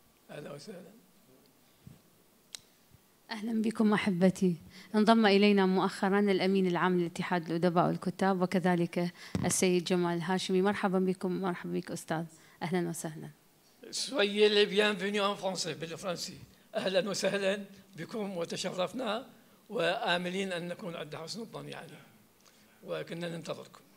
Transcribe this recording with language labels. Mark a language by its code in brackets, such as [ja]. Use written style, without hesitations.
[ar] أهلا وسهلا، أهلا بكم أحبتي. انضم إلينا مؤخرا الأمين العام للاتحاد الأدباء والكتاب وكذلك السيد جمال هاشمي. مرحبا بكم. مرحبا بك أستاذ، أهلا وسهلا. [fr] Soyez les bienvenus en français, [ar] بالفرنسي. أهلا وسهلا بكم وتشرفنا، وآملين أن نكون عند حسن الظن يعني، وكنا ننتظركم.